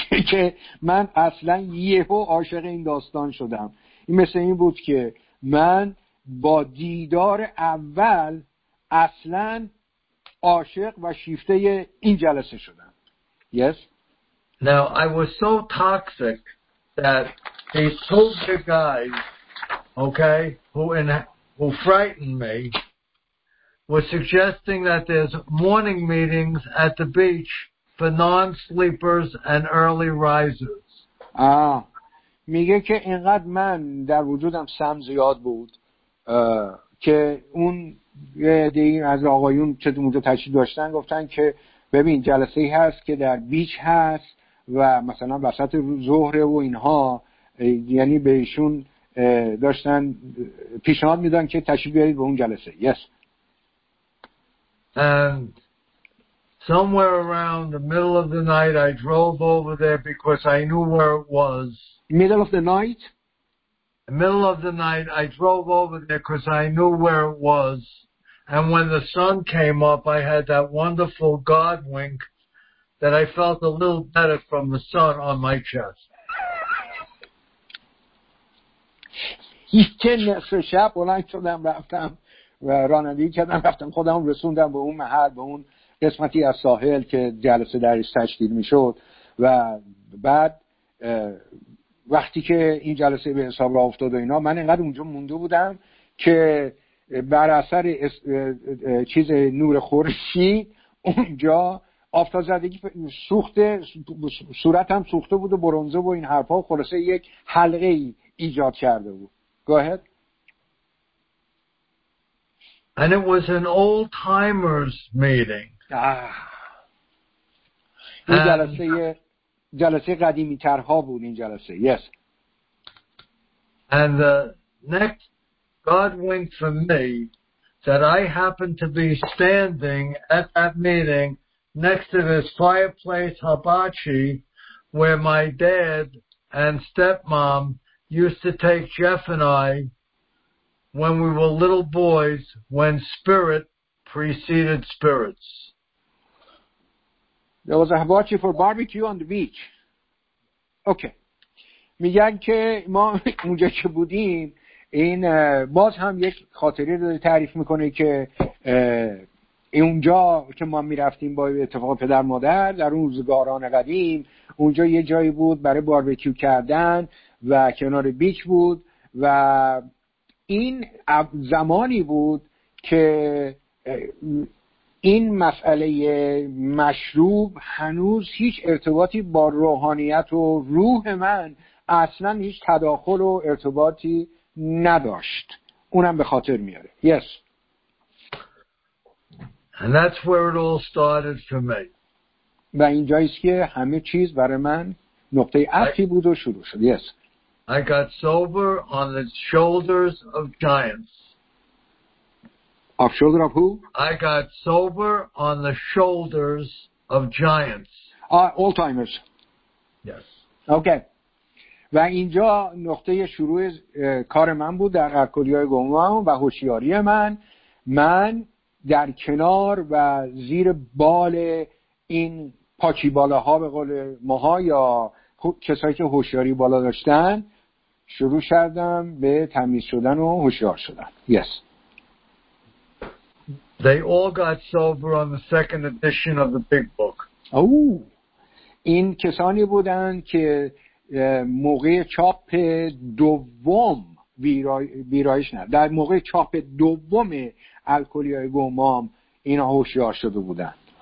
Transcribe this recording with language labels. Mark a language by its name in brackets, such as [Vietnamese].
[Persian] که من اصلا یهو عاشق این داستان شدم. این مثل این بود که من با دیدار اول اصلا عاشق و شیفته این جلسه شدم. [English] Yes. Now I was so toxic that they told the guys, okay, who frightened me, was suggesting that there's morning meetings at the beach for non-sleepers and early risers. آه. [Persian] میگه که اینقدر من در وجودم سم زیاد بود که اون دیگه از آقایون چه موضوع تشریف داشتن گفتن که ببین جلسه ای هست که در بیچ هست و مثلا وسط ظهر و اینها یعنی بهشون داشتن پیشنهاد میدن که تشریف بیارید به اون جلسه. [English] Yes. Somewhere around the middle of the night I drove over there because I knew where it was. Middle of the night? The middle of the night I drove over there because I knew where it was. And when the sun came up I had that wonderful God wink that I felt a little better from the sun on my chest. [Persian] و رانندگی کردم رفتم خودم رسوندم به اون محل به اون قسمتی از ساحل که جلسه درش تشکیل می شد و بعد وقتی که این جلسه به حساب را افتاد و اینا من اینقدر اونجا مونده بودم که بر اثر چیز نور خورشید اونجا آفتازدگی سوخته صورتم سوخته بود و برونزه و این حرفا خلاصه یک حلقه ای ایجاد کرده بود. [English] Go ahead. And it was an old timers meeting. [Persian] این جلسه قدیمی ترها بود این جلسه. [English] Yes. And the next God winked for me that I happened to be standing at that meeting next to this fireplace hibachi where my dad and stepmom used to take Jeff and I when we were little boys, when spirit preceded spirits. There was a hibachi for barbecue on the beach. Okay. [Persian] میگن که ما اونجا که بودیم این باز هم یک خاطره رو تعریف میکنه که اونجا که ما میرفتیم با اتفاق پدر مادر در اون روزگاران قدیم اونجا یه جایی بود برای باربیکیو کردن و کنار بیچ بود و این زمانی بود که این مسئله مشروب هنوز هیچ ارتباطی با روحانیت و روح من اصلا هیچ تداخل و ارتباطی نداشت. اونم به خاطر میاره. [English] Yes. And that's where it all started for me. [Persian] و اینجاییست که همه چیز برای من نقطه عطفی بود و شروع شد. [English] Yes. I got sober on the shoulders of giants. Of shoulder of who? I got sober on the shoulders of giants. Old-timers. Yes. Okay. [Persian] و اینجا نقطه شروع کار من بود در الکلی‌های گمنام و هوشیاری من. من در کنار و زیر بال این پاچی بالاها به قول ماها یا کسایی که هوشیاری بالا داشتن شروع کردم به تمیز شدن و هوشیار شدن. [English] Yes. They all got sober on the second edition of the big book. [Persian] این کسانی بودند که موقع چاپ دوم ویرایش نه در موقع چاپ دوم الکلی‌های گمنام اینا هوشیار شده بودند.